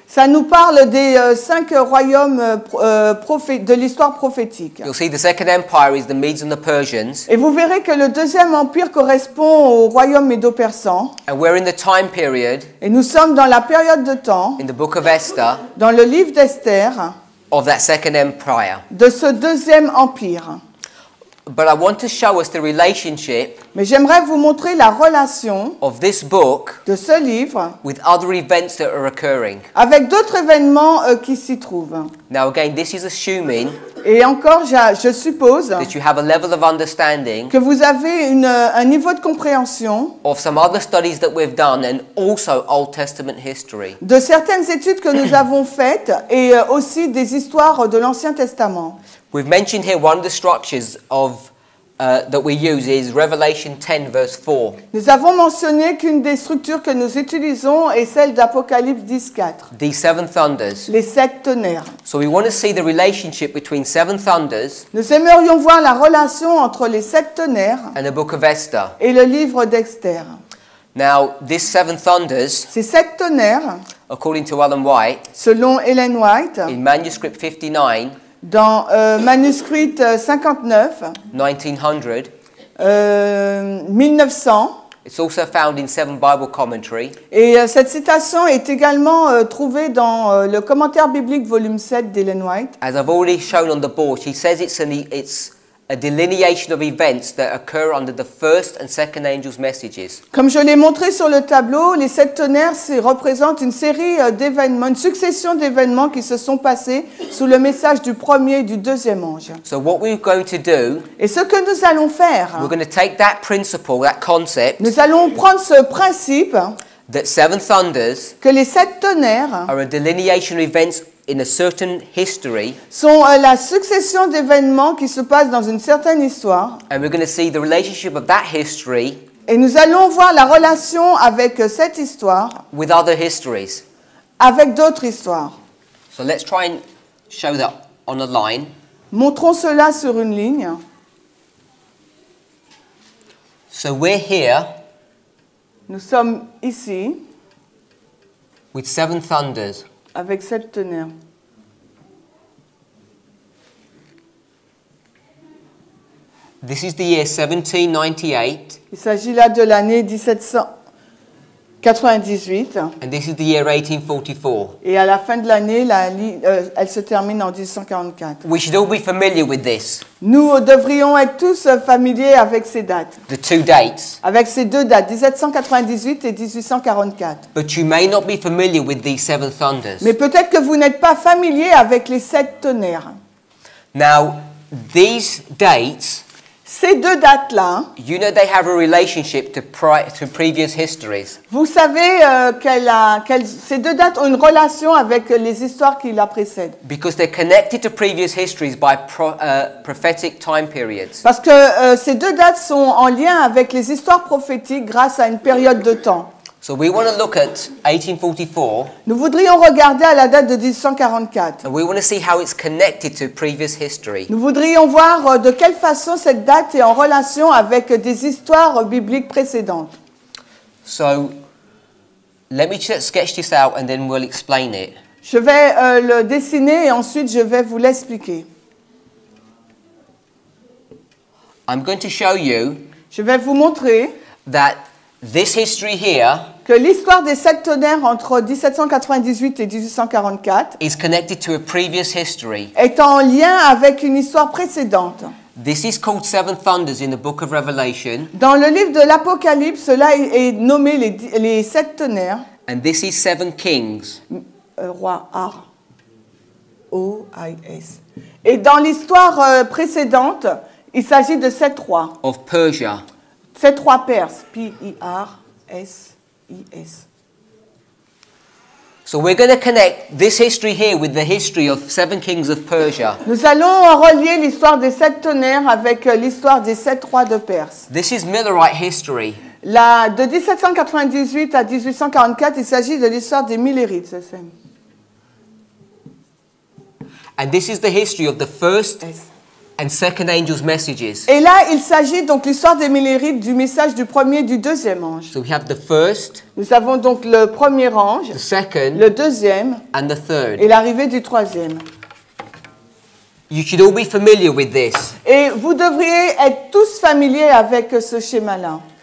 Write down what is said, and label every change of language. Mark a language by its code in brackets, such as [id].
[fr] Ça nous parle des cinq royaumes de l'histoire prophétique. [en] You'll see the second empire is the Medes and the Persians. [fr] Et vous verrez que le deuxième empire correspond au royaume médo-persan. [en] And we're in the time period. [fr] Et nous sommes dans la période de temps. [en] In the book of Esther. [fr] Dans le livre d'Esther. [en] Of that second empire. [fr] De ce deuxième empire. [en] But I want to show us the relationship. [fr] Mais j'aimerais vous montrer la relation. [en] Of this book. [fr] De ce livre. [en] With other events that are occurring. [fr] Avec d'autres événements qui s'y trouvent. [en] Now again, this is assuming. [fr] Et encore, je suppose. [en] That you have a level of understanding. [fr] Que vous avez un niveau de compréhension. [en] Of some other studies that we've done and also Old Testament history. [fr] De certaines études que nous avons faites et aussi des histoires de l'Ancien Testament. [en] We've mentioned here one of the structures of that we use is Revelation 10 verse 4. [fr] Nous avons mentionné qu'une des structures que nous utilisons est celle d'Apocalypse 10:4. [en] The seven thunders. [fr] Les sept tonnerres. [en] So we want to see the relationship between seven thunders. [fr] Nous aimerions voir la relation entre les sept tonnerres. [en] And the book of Esther. [fr] Et le livre d'Esther. [en] Now, these seven thunders. [fr] Ces sept tonnerres. [en] According to Ellen White. [fr] Selon Ellen White. [en] In manuscript 59. [fr] Dans manuscrit 59, [en] 1900, [fr] 1900. [en] It's also found in seven Bible commentary. [fr] Et cette citation est également trouvée dans le commentaire biblique volume 7 d'Ellen White. [en] As I've already shown on the board, she says it's a delineation of events that occur under the first and second angel's messages. [fr] Comme je l'ai montré sur le tableau, les sept tonnerres représentent une série d'événements, une succession d'événements qui se sont passés sous le message du premier et du deuxième ange. [en] So what we're going to do, [fr] et ce que nous allons faire, [en] we're going to take that principle, that concept, [fr] nous allons prendre ce principe [en] that seven thunders [fr] que les sept tonnerres [en] are a delineation of events in a certain history, [fr] sont la succession d'événements qui se passent dans une certaine histoire. [en] And we're going to see the relationship of that history, [fr] et nous allons voir la relation avec cette histoire, [en] with other histories, [fr] avec d'autres histoires. [en] So let's try and show that on a line. [fr] Montrons cela sur une ligne. [en] So we're here. [fr] Nous sommes ici. [en] With seven thunders. [fr] Avec sept tonnerres. [en] This is the year 1798. [fr] Il s'agit là de l'année 1798. [en] And this is the year 1844. [fr] Et à la fin de l'année, elle se termine en 1844. [en] We should all be familiar with this. [fr] Nous devrions être tous familiers avec ces dates. [en] The two dates. [fr] Avec ces deux dates, 1798 et 1844. [en] But you may not be familiar with these seven thunders. [fr] Mais peut-être que vous n'êtes pas familier avec les sept tonnerres. [en] Now, these dates, [fr] ces deux dates-là, [en] you know they have a relationship to previous histories. [fr] Vous savez ces deux dates ont une relation avec les histoires qui la précèdent. [en] Because they're connected to previous histories by prophetic time periods. [fr] Parce que ces deux dates sont en lien avec les histoires prophétiques grâce à une période de temps. [en] So we want to look at 1844. [fr] Nous voudrions regarder à la date de 1844. [en] And we want to see how it's connected to previous history. [fr] Nous voudrions voir de quelle façon cette date est en relation avec des histoires bibliques précédentes. [en] So let me sketch this out and then we'll explain it. [fr] Je vais le dessiner et ensuite je vais vous l'expliquer. [en] I'm going to show you. [fr] Je vais vous montrer [en] that this history here, [fr] que l'histoire des sept tonnerres entre 1798 et 1844, [en] is connected to a previous history, [fr] est en lien avec une histoire précédente. [en] This is called Seven Thunders in the Book of Revelation. [fr] Dans le livre de l'Apocalypse, cela est nommé les sept tonnerres. [en] And this is seven kings. [fr] Roi R O I S. Et dans l'histoire précédente, il s'agit de sept rois. [en] Of Persia. [fr] Ces trois Perses, P-E-R-S-I-S. [en] So we're going to connect this history here with the history of seven kings of Persia. [fr] Nous allons relier l'histoire des sept tonnerres avec l'histoire des sept rois de Perse. [en] This is Millerite history. [fr] La, de 1798 à 1844, il s'agit de l'histoire des Millerites. [en] And this is the history of the first and second angel's messages. [fr] Et là, il s'agit donc l'histoire des Millerites du message du premier et du deuxième ange. [en] So we have the first. [fr] Nous avons donc le premier ange. [en] The second. [fr] Le deuxième. [en] And the third. [fr] Et l'arrivée du troisième. [en] You should all be familiar with this. [fr] Et vous devriez être tous familiers avec ce schéma-là.